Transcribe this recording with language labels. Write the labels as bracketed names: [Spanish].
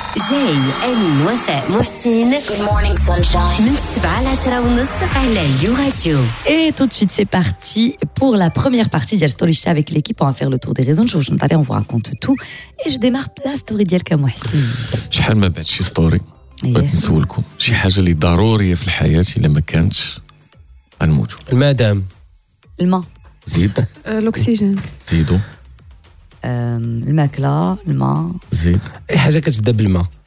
[Arabic] زين اني وفاء محسن Good morning sunshine من 7 ل 10 ونص على يوغاديو [French] Et tout de suite c'est parti pour la première partie [Arabic] ديال ستوري شتا [French] avec l'équipe on va faire le tour des raisons de chaud on vous raconte tout et je démarre la story [Arabic] ديالك يا محسن شحال ما بعد شي ستوري بغيت نسولكم شي حاجه اللي ضروريه في الحياه الا ما كانتش غنموتوا المدام الماء زيد الاكسجين زيدو الماكلة الماء زيد أي حاجة كتبدا بالماء